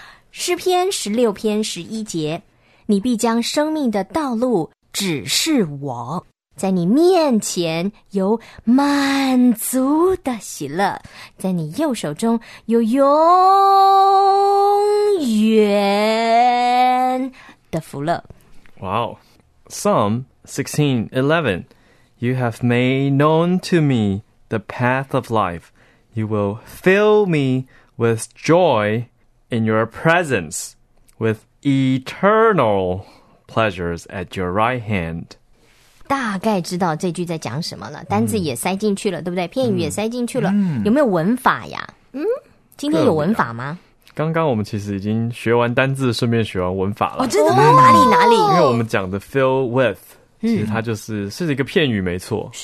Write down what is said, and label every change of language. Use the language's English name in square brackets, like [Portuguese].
[Chinese] 诗篇十六篇十一节，你必将生命的道路指示我，在你面前有满足的喜乐，在你右手中有永远的福乐。 [English] Wow. Psalm 16:11. You have made known to me the path of life. You will fill me with joy in your presence, with eternal pleasures at your right hand. [Chinese] 大概知道这句在讲什么了，单字也塞进去了，对不对？片语也塞进去了，有没有文法呀？今天有文法吗？刚刚我们其实已经学完单字，顺便学完文法了。哦，真的吗？哪里哪里？因为我们讲的 fill with， 其实它就是是一个片语，没错。